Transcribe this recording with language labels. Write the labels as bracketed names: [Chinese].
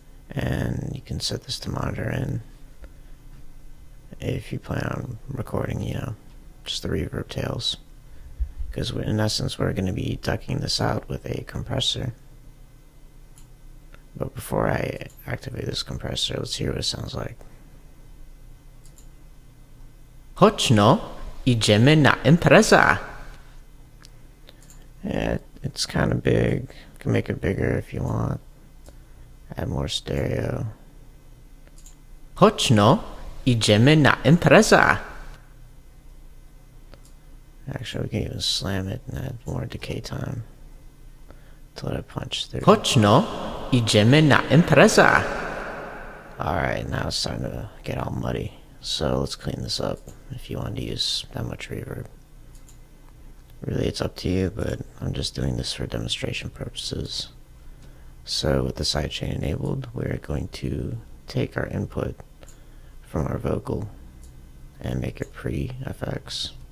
[English] And you can set this to monitor in if you plan on recording, just the reverb tails. Because in essence, we're going to be ducking this out with a compressor. But before I activate this compressor, let's hear what it sounds like. [Polish] Chodźno, idziemy na impreza! [English] It's kind of big. You can make it bigger if you want. Add more stereo. [Polish] Chodźno, idziemy na impreza! [English] Actually, we can even slam it and add more decay time to let it punch through. [Polish] Chodźno, idziemy na impreza! [English] Alright, now it's starting to get all muddy. So let's clean this up if you want to use that much reverb. Really, it's up to you, but I'm just doing this for demonstration purposes. So with the sidechain enabled, we're going to take our input from our vocal and make it pre-FX.